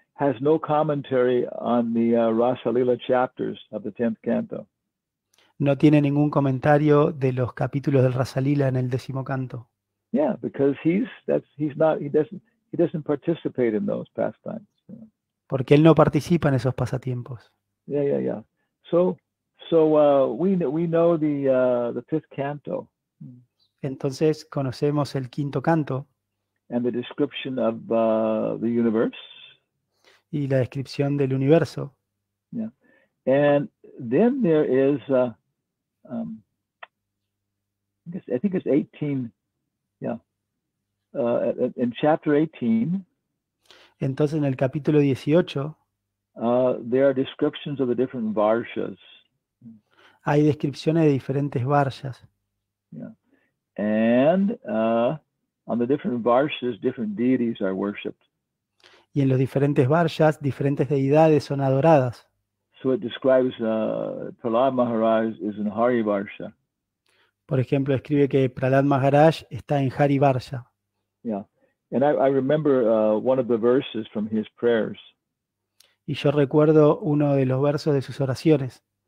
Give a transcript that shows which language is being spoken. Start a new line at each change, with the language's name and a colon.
English: Has no commentary on the Rasa Lila chapters of the 10th canto.
Spanish: No tiene ningún comentario de los capítulos del Rasa Lila en el décimo canto.
English: Yeah, because he doesn't participate in those pastimes. You know.
Spanish: Porque él no participa en esos pasatiempos.
English: Yeah. So we know the 5th canto.
Spanish: Entonces conocemos el quinto canto.
English: And the description of the universe.
Spanish: Y la descripción del universo.
English: Yeah. And then there is I think it's 18. Yeah. In chapter 18.
Spanish: Entonces en el capítulo 18
English: there are descriptions of the different varshas.
Spanish: Hay descripciones de diferentes varshas.
English: Yeah. And on the different varshas different deities are worshipped.
Spanish: Y en los diferentes varshas, diferentes deidades son adoradas.
English: So it describes Prahlad Maharaj is in Hari Varsha.
Spanish: Por ejemplo, escribe que Prahlad Maharaj está en Hari Varsha.
English: Yeah. And I remember one of the verses from his prayers.
Spanish: Y yo recuerdo uno de los versos de sus oraciones.